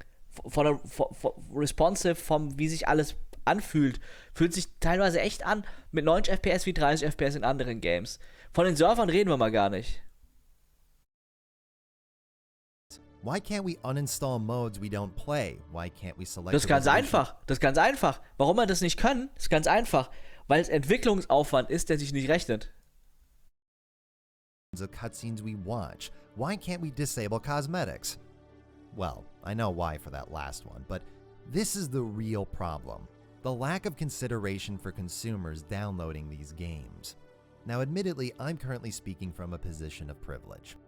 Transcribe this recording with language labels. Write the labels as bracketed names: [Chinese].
[German] Vom lokal, vom responsive, wie sich alles anfühlt. Fühlt sich teilweise echt an mit 90 FPS wie 30 FPS in anderen Games. Von den Servern reden wir mal gar nicht. [English] Why can't we uninstall modes we don't play? Why can't we select? [German] Das ist ganz einfach. Das ist ganz einfach. Warum wir das nicht können, ist ganz einfach. Weil es Entwicklungsaufwand ist, der sich nicht rechnet. [English] The cutscenes we watch. Why can't we disable cosmetics? Well, I know why for that last one, but this is the real problem. The lack of consideration for consumers downloading these games. Now, admittedly, I'm currently speaking from a position of privilege.